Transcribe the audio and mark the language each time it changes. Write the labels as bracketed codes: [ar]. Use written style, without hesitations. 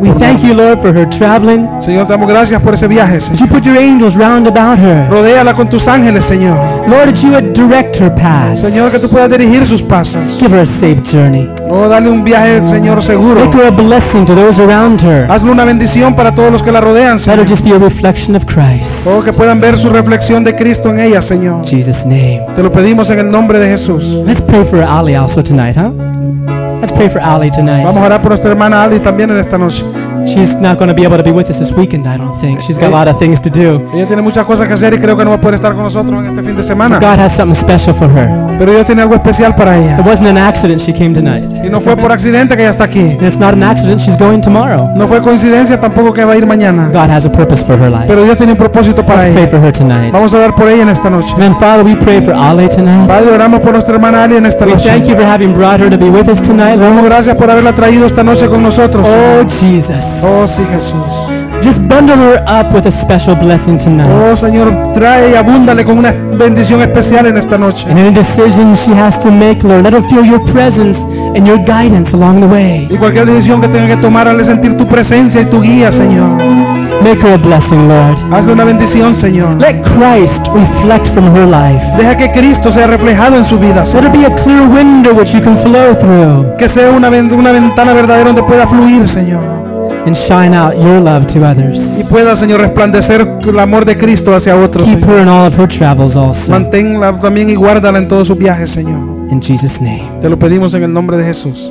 [en] We thank you, Lord, for her traveling. [es] Señor, te damos gracias por ese viaje. [en] Did you put your angels round about her? [es] Rodéala con tus ángeles, Señor. [en] Lord, that you would direct her path. [es] Señor, que tú puedas dirigir sus pasos. [en] Give her a safe journey. [es] Oh, dale un viaje, Señor, seguro. [en] Make her a blessing to those around her. [es] Hazle una bendición para todos los que la rodean, Señor. [en] Let her just be a reflection of Christ. [es] Oh, que puedan ver su reflexión de Cristo en ella, Señor. [en] In Jesus' name. [es] Te lo pedimos en el nombre de Jesús. [en] Let's pray for Ali also tonight, huh? Let's pray for Ali tonight. [es] Vamos a orar por nuestra hermana Ali también en esta noche. [en] She's not going to be able to be with us this weekend, I don't think. She's got a lot of things to do. [es] Ella tiene muchas cosas que hacer y creo que no va a poder estar con nosotros en este fin de semana. [en] But God has something special for her. [es] Pero ella tiene algo especial para ella. [en] It wasn't an accident she came tonight. [es] Y no fue por accidente que ella está aquí. [en] And it's not an accident she's going tomorrow. [es] No fue coincidencia tampoco que va a ir mañana. [en] God has a purpose for her life. [es] Pero ella tiene un propósito para [en] ella. Let's pray for her tonight. [es] Vamos a orar por ella en esta noche. [en] Then Father, we pray for Ali tonight. [es] Padre, oramos por nuestra hermana Ali en esta [en] we [es] noche. [en] Thank you for having brought her to be with us tonight. [es] Damos gracias por haberla traído esta noche con nosotros. [en] Oh Jesus. [es] Oh sí, Jesús. [en] Just bundle her up with a special blessing tonight. [es] Oh, Señor, trae y abúndale con una bendición especial en esta noche. [en] And any decision she has to make, Lord, let her feel your presence and your guidance along the way. [es] Y cualquier decisión que tenga que tomar, hazle sentir tu presencia y tu guía, Señor. [en] Make her a blessing, Lord. [es] Hazle una bendición, Señor. [en] Let Christ reflect from her life. [es] Deja que Cristo sea reflejado en su vida, Señor. [en] Let it be a clear window which you can flow through. [es] Que sea una ventana verdadera donde pueda fluir, Señor. [en] And shine out your love to others. [es] Y pueda, Señor, resplandecer el amor de Cristo hacia otros. [en] Keep her in all of her travels also. [es] Manténla también y guárdala en todos sus viajes, Señor. [en] In Jesus' name. [es] Te lo pedimos en el nombre de Jesús.